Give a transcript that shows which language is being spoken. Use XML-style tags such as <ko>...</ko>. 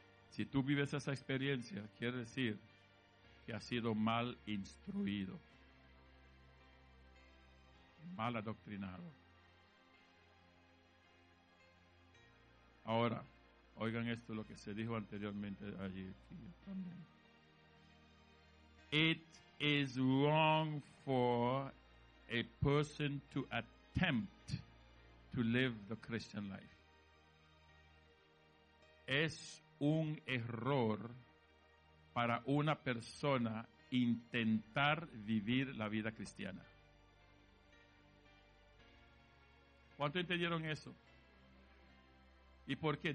<es>Si tú vives esa experiencia, quiere decir que has sido mal instruido, mal adoctrinado. Ahora, oigan esto, lo que se dijo anteriormente allí.</es> <en>It is wrong for a person to attempt to live the Christian life.</en> <es>Es un error para una persona intentar vivir la vida cristiana. ¿Cuánto entendieron eso? ¿Y por qué?</es>